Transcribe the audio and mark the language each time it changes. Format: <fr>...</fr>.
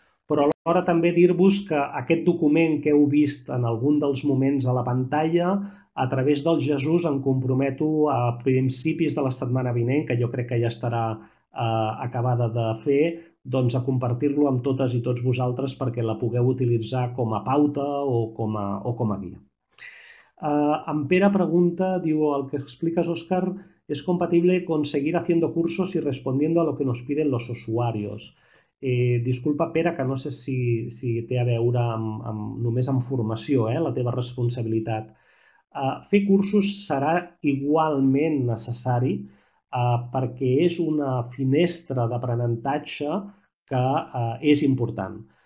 <ca>Però alhora també dir-vos que aquest document que heu vist en algun dels moments a la pantalla, a través del Jesús em comprometo a principis de la setmana vinent, que jo crec que ja estarà acabada de fer, doncs a compartir-lo amb totes i tots vosaltres perquè la pugueu utilitzar com a pauta o com a guia. En Pere pregunta, diu, el que expliques, Òscar, és compatible</ca> <es>con seguir haciendo cursos y respondiendo a lo que nos piden los usuarios.</es> <ca>Disculpa, Pere, que no sé si té a veure només amb formació, la teva responsabilitat. Fer cursos serà igualment necessari perquè és una finestra d'aprenentatge que és important.</ca>